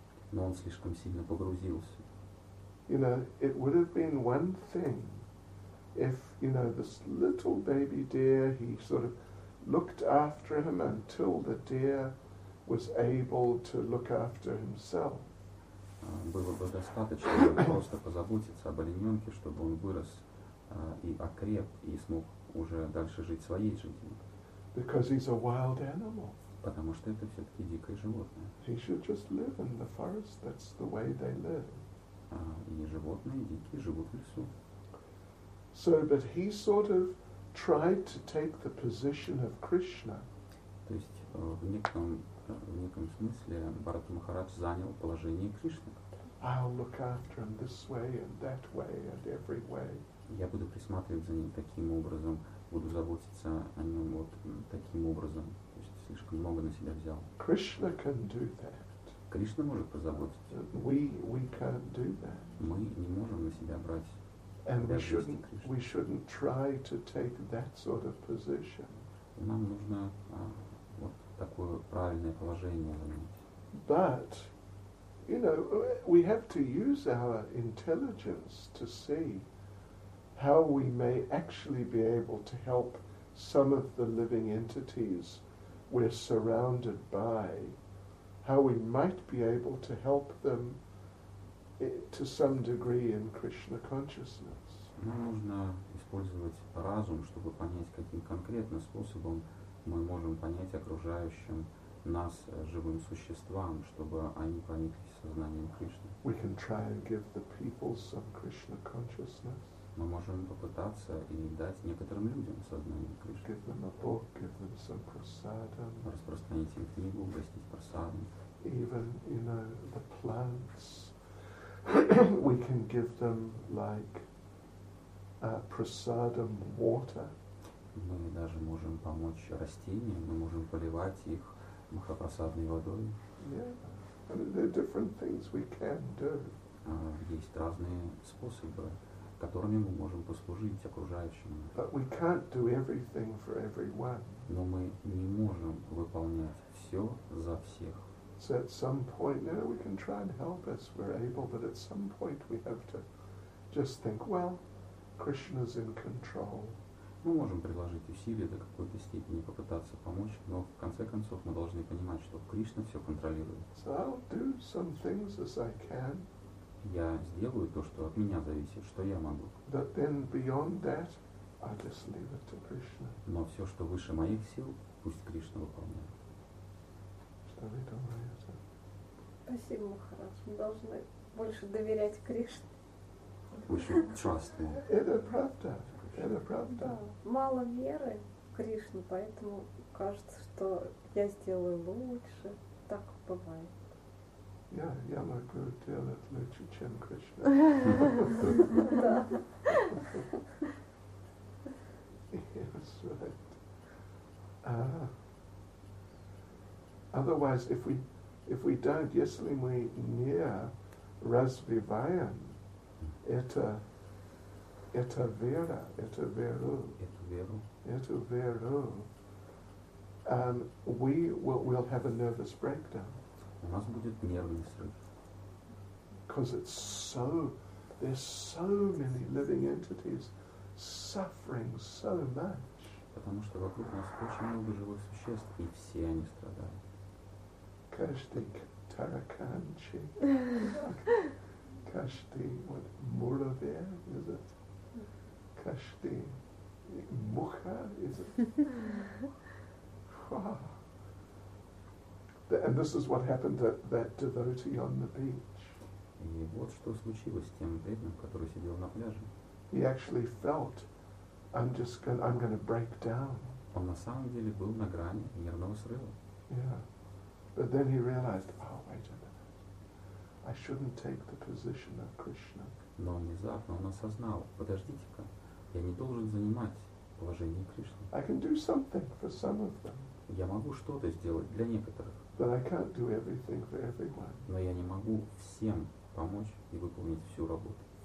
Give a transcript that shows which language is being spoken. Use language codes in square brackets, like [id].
[ru] Но он слишком сильно погрузился. [en] You know, it would have been one thing if, you know, this little baby deer, he sort of looked after him until the deer was able to look after himself. [ru] Было бы достаточно просто позаботиться об олененке, чтобы он вырос и окреп, и смог уже дальше жить своей жизнью. [en] Because he's a wild animal. [ru] Потому что это все-таки дикое животное. [en] He should just live in the forest. That's the way they live. [ru] И животные дикие живут в лесу. [en] So, but he sort of tried to take the position of Krishna. [ru] То есть в неком смысле Бхарата Махарадж занял положение Кришны. [en] I'll look after him this way and that way and every way. [ru] Я буду присматривать за ним таким образом, буду заботиться о нем вот таким образом. То есть слишком много на себя взял. [en] Krishna can do that. [ru] Кришна может позаботиться. [en] We can't do that. [ru] Мы не можем на себя брать. [en] And we shouldn't try to take that sort of position. [ru] Нам нужно вот такое правильное положение занять. [en] But, you know, we have to use our intelligence to see how we may actually be able to help some of the living entities we're surrounded by, how we might be able to help them to some degree in Krishna consciousness. [ru] Нам нужно использовать разум, чтобы понять, каким конкретно способом мы можем понять окружающим нас живым существам, чтобы они прониклись сознанием Кришны. [en] We can try and give the people some Krishna consciousness. [ru] Мы можем попытаться и дать некоторым людям сознание Кришны. [en] Give them a book, give them some prasadam. [ru] Распространить им книгу, угостить прасадом. [en] Even, you know, the plants. We can give them like prasadam water. [ru] Мы даже можем помочь растениям, мы можем поливать их махапрасадной водой. [en] Yeah. I mean, there are different things we can do. [ru] Есть разные способы, которыми мы можем послужить окружающим. [en] But we can't do everything for everyone. [ru] Но мы не можем выполнять все за всех. [en] So at some point, you know, we can try and help as we're able, but at some point we have to just think, well, Krishna's in control. [ru] Мы можем приложить усилия до какой-то степени, попытаться помочь, но в конце концов мы должны понимать, что Кришна все контролирует. [en] So I'll do some things as I can. [ru] Я сделаю то, что от меня зависит, что я могу. [en] But then beyond that, I just leave it to Krishna. [ru] Но все, что выше моих сил, пусть Кришна выполняет. Что вы думаете? Спасибо, Махарадж. Мы должны больше доверять Кришне. Больше [en] trust him. [ru] Это правда. Это правда. Да. Мало веры в Кришну, поэтому кажется, что я сделаю лучше. Так бывает. Я могу делать лучше, чем Кришна. Да. [en] Yes, right. Otherwise, if we don't, [ru] если мы не развиваем эту веру, [en] we will have a nervous breakdown. [ru] У нас будет нервный срыв. [en] Because there's so many living entities suffering so much. [ru] Потому что вокруг нас очень много живых существ, и все они страдают. Каждый тараканчик, каждый муравей, [en] is it? [ru] Каждый муха, [en] is it? And this is what happened to that devotee on the beach. [ru] И вот что случилось с тем преданным, который сидел на пляже. [en] He actually felt, I'm going to break down. [ru] Он на самом деле был на грани нервного срыва. [en] Yeah. But then he realized, oh, wait a minute. I shouldn't take the position of Krishna. [ru] Но внезапно он осознал, подождите-ка, я не должен занимать положение Кришны. [en] I can do something for some of them. [ru] Я могу что-то сделать для некоторых. [en] But I can't do everything for everyone. [ru] Но я не могу всем помочь и выполнить всю работу.